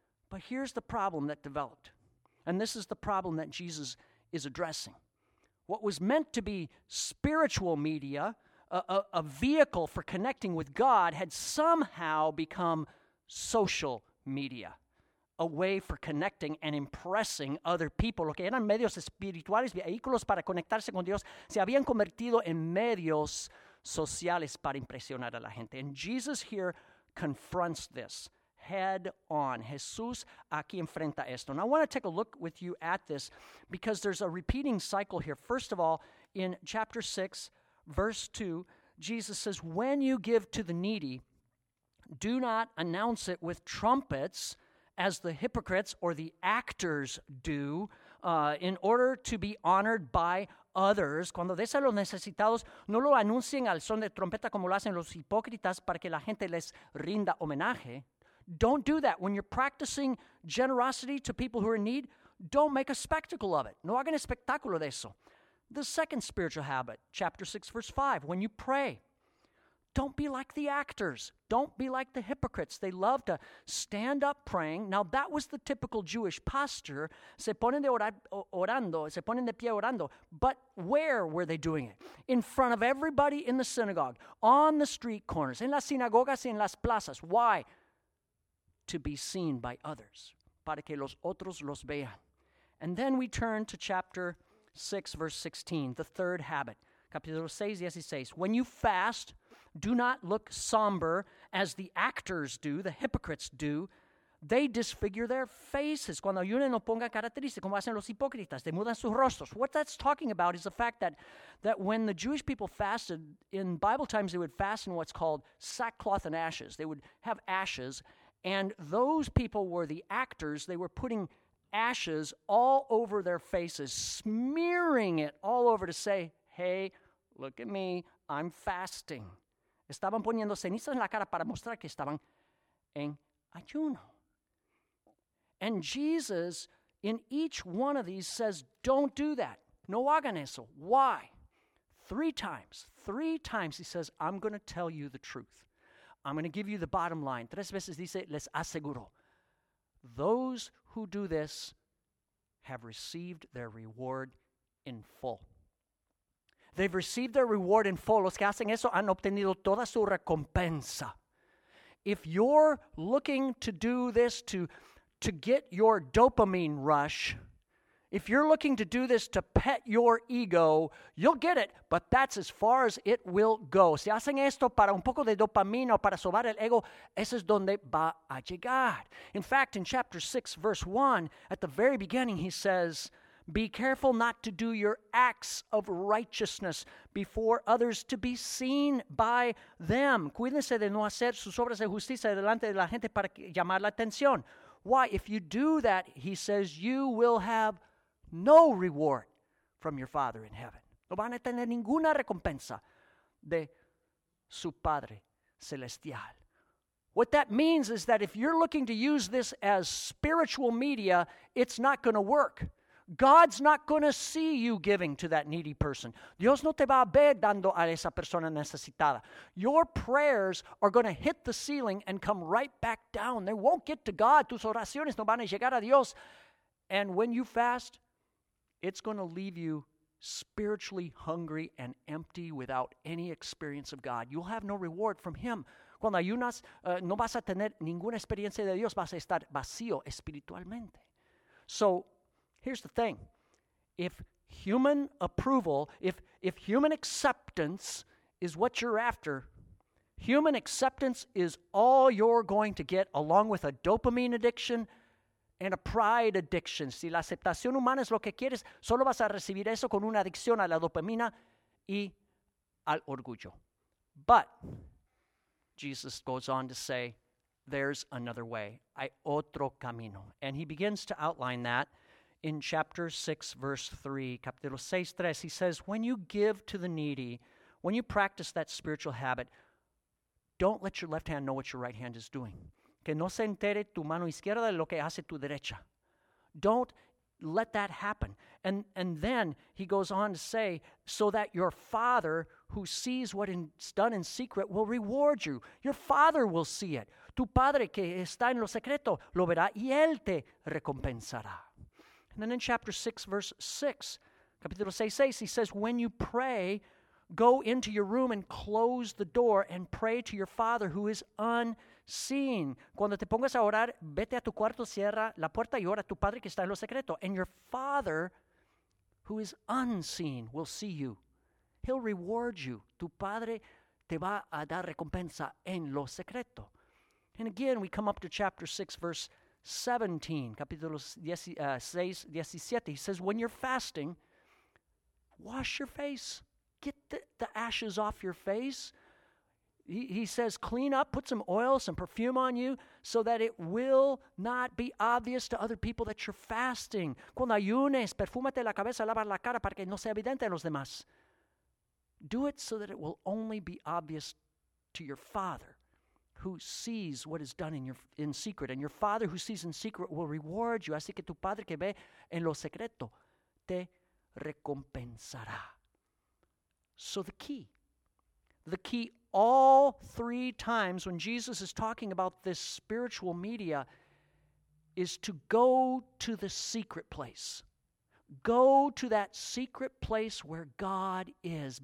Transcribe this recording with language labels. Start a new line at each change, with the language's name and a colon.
English: But here's the problem that developed. And this is the problem that Jesus is addressing. What was meant to be spiritual media, a vehicle for connecting with God, had somehow become social media, a way for connecting and impressing other people.
Spanish: Lo que eran medios espirituales, vehículos para conectarse con Dios, se habían convertido en medios sociales para impresionar a la gente.
English: And Jesus here confronts this head on.
Spanish: Jesús aquí enfrenta esto.
English: And I want to take a look with you at this because there's a repeating cycle here. First of all, in chapter 6, verse 2, Jesus says, "When you give to the needy, do not announce it with trumpets, as the hypocrites or the actors do, in order to be honored by others."
Spanish: Cuando des a los necesitados, no lo anuncien al son de trompeta como lo hacen los hipócritas para que la gente les rinda homenaje.
English: Don't do that. When you're practicing generosity to people who are in need, don't make a spectacle of it.
Spanish: No hagan espectáculo de eso.
English: The second spiritual habit, chapter 6, verse 5, when you pray, don't be like the actors. Don't be like the hypocrites. They love to stand up praying. Now, that was the typical Jewish posture.
Spanish: Se ponen de orando, se ponen de pie orando.
English: But where were they doing it? In front of everybody in the synagogue, on the street corners,
Spanish: en las sinagogas y en las plazas.
English: Why? To be seen by others.
Spanish: Para que los otros los vean.
English: And then we turn to chapter 6, verse 16, the third habit.
Spanish: Capítulo 6, 16.
English: When you fast, do not look somber as the actors do, the hypocrites do. They disfigure their faces.
Spanish: Cuando ayunen, no pongan cara triste, como hacen los hipócritas.
English: They
Spanish: mudan sus rostros.
English: What that's talking about is the fact that when the Jewish people fasted, in Bible times they would fast in what's called sackcloth and ashes. They would have ashes, and those people were the actors. They were putting ashes all over their faces, smearing it all over to say, "Hey, look at me, I'm fasting."
Spanish: Estaban poniendo cenizas en la cara para mostrar que estaban en ayuno.
English: And Jesus, in each one of these, says, don't do that.
Spanish: No hagan eso.
English: Why? Three times he says, "I'm going to tell you the truth. I'm going to give you the bottom line."
Spanish: Tres veces dice, les aseguro.
English: those who do this have received their reward in full. They've received their reward in full.
Spanish: Los que hacen eso han obtenido toda su recompensa.
English: If you're looking to do this to get your dopamine rush, if you're looking to do this to pet your ego, you'll get it, but that's as far as it will go.
Spanish: Si hacen esto para un poco de dopamina o para sobar el ego, eso es donde va a llegar.
English: In fact, in chapter 6, verse 1, at the very beginning, he says, be careful not to do your acts of righteousness before others to be seen by them.
Spanish: Cuídense de no hacer sus obras de justicia delante de la gente para llamar la atención.
English: Why? If you do that, he says, you will have no reward from your Father in heaven.
Spanish: No van a tener ninguna recompensa de su Padre Celestial.
English: What that means is that if you're looking to use this as spiritual media, it's not going to work. God's not going to see you giving to that needy person.
Spanish: Dios no te va a ver dando a esa persona necesitada.
English: Your prayers are going to hit the ceiling and come right back down. They won't get to God.
Spanish: Tus oraciones no van a llegar a Dios.
English: And when you fast, it's going to leave you spiritually hungry and empty without any experience of God. You'll have no reward from Him.
Spanish: Cuando ayunas, no vas a tener ninguna experiencia de Dios. Vas a estar vacío espiritualmente.
English: So, here's the thing. If human approval, if human acceptance is what you're after, human acceptance is all you're going to get along with a dopamine addiction and a pride addiction.
Spanish: Si la aceptación humana es lo que quieres, solo vas a recibir eso con una adicción a la dopamina y al orgullo.
English: But Jesus goes on to say, there's another way.
Spanish: Hay otro camino.
English: And he begins to outline that. In chapter 6, verse 3,
Spanish: capítulo 6, 3,
English: he says, when you give to the needy, when you practice that spiritual habit, don't let your left hand know what your right hand is doing.
Spanish: Que no se entere tu mano izquierda de lo que hace tu derecha.
English: Don't let that happen. And then he goes on to say, so that your Father who sees what is done in secret will reward you. Your Father will see it.
Spanish: Tu Padre que está en lo secreto lo verá y Él te recompensará.
English: And then in chapter 6, verse 6,
Spanish: capítulo 6,
English: he says, when you pray, go into your room and close the door and pray to your Father who is unseen.
Spanish: Cuando te pongas a orar, vete a tu cuarto, cierra la puerta y ora a tu Padre que está en lo secreto.
English: And your Father who is unseen will see you. He'll reward you.
Spanish: Tu Padre te va a dar recompensa en lo secreto.
English: And again, we come up to chapter 6, verse 17,
Spanish: capítulo 6, 17,
English: he says, when you're fasting, wash your face. Get the ashes off your face. He says, clean up, put some oil, some perfume on you, so that it will not be obvious to other people that you're fasting.
Spanish: Cuando ayunes, perfúmate la cabeza, lava la cara para que no sea evidente a los demás.
English: Do it so that it will only be obvious to your Father, who sees what is done in secret. And your Father who sees in secret will reward you.
Spanish: Así que tu Padre que ve en lo secreto te recompensará.
English: So the key all three times when Jesus is talking about this spiritual media is to go to the secret place. Go to that secret place where God is.